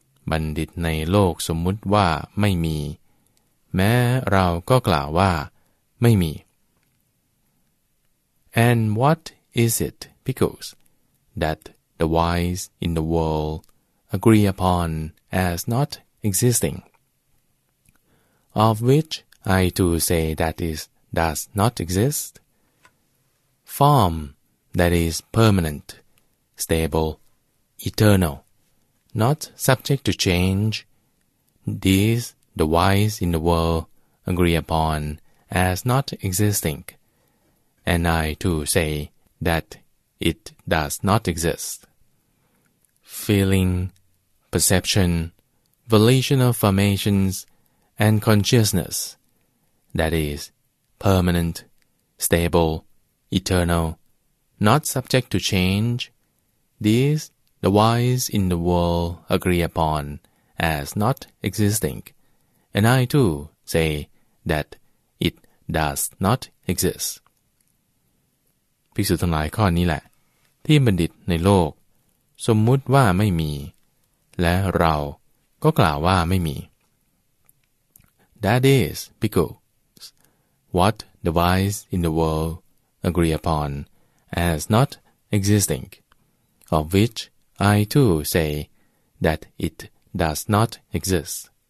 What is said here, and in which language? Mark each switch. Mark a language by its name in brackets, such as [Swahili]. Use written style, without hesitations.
[Thai] บัณฑิตในโลกสมมุติว่าไม่มีแม้เราก็กล่าวว่าไม่มี [English] And what is it, Bhikkhus, that the wise in the world agree upon as not existing? Of which I too say that it does not exist. Form that is permanent, stable, eternal, not subject to change, these the wise in the world agree upon as not existing, and I too say that it does not exist. Feeling, perception, volitional formations, and consciousness, that is, permanent, stable, eternal, not subject to change, these the wise in the world agree upon as not existing, and I too say that it does not exist. [Thai] ภิกษุทั้งหลายข้อนี้แหละที่บัณฑิตในโลกสมมุติว่าไม่มีและเราก็กล่าวว่าไม่มี [English] That is, Bhikkhu, what the wise in the world agree uponas not existing, of which I too say that it does not exist.